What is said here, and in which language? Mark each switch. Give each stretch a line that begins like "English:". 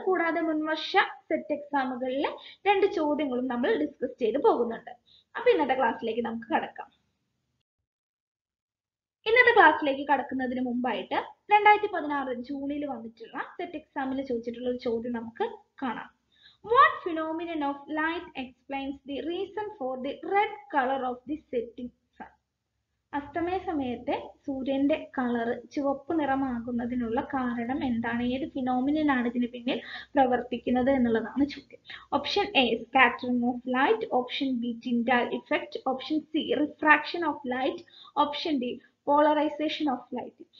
Malayalam: കൂടാതെ മുൻവർഷ സെറ്റ് എക്സാമുകളിലെ 2 ചോദ്യങ്ങളും നമ്മൾ ഡിസ്കസ് ചെയ്ത് പോകുന്നുണ്ട്. അപ്പൊ ഇന്നത്തെ ക്ലാസ്സിലേക്ക് നമുക്ക് കടക്കാം. ഇന്നത്തെ ക്ലാസ്സിലേക്ക് കടക്കുന്നതിന് മുമ്പായിട്ട് 2016 ജൂണിൽ വന്നിട്ടുള്ള സെറ്റ് എക്സാമിൽ ചോദിച്ചിട്ടുള്ള ഒരു ചോദ്യം നമുക്ക് കാണാം.
English: What phenomenon of light explains the reason for the red color of the setting?
Malayalam: അസ്തമയ സമയത്തെ സൂര്യന്റെ കളറ് ചുവപ്പ് നിറമാകുന്നതിനുള്ള കാരണം എന്താണ്, ഏത് ഫിനോമിനലാണ് ഇതിന് പിന്നിൽ പ്രവർത്തിക്കുന്നത് എന്നുള്ളതാണ് ചോദ്യം.
English: Option A scattering of light, option B Tyndall effect, option C refraction of light, option D polarisation of light.